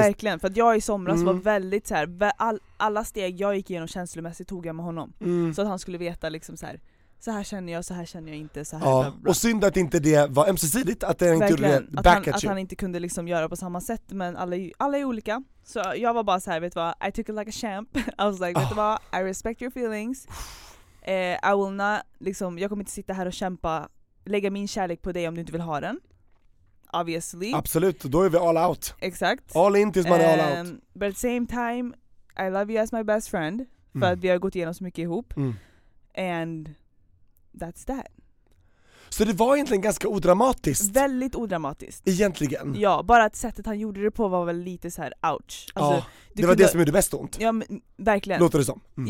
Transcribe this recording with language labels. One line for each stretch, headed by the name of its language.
Swedish: Verkligen, för att jag i somras var väldigt så här, alla steg jag gick igenom känslomässigt tog jag med honom. Mm. Så att han skulle veta liksom så här känner jag, så här känner jag inte, så här. Ja. Och synd att inte det var ömsesidigt, att det inte gjorde
English: back at you.
Swedish: Att han inte kunde liksom göra på samma sätt, men alla är olika. Så jag var bara så här, vet du vad,
English: I took it like a champ. I was like,
Swedish: vet du vad,
English: I respect your feelings. I will not,
Swedish: liksom, jag kommer inte sitta här och kämpa, lägga min kärlek på dig om du inte vill ha den.
English: Obviously.
Swedish: Absolut, då är vi
English: all out.
Swedish: Exakt.
English: All in
Swedish: tills man är
English: all out. But at the same time, I love you as my best friend.
Swedish: För att vi har gått igenom så mycket ihop. Mm.
English: And that's that.
Swedish: Så det var egentligen ganska odramatiskt. Väldigt odramatiskt. Egentligen. Ja, bara att sättet han gjorde det på var väl lite så här, ouch. Alltså, ja, det var det som gjorde mest ont. Ja, men, verkligen. Låter det som. Mm.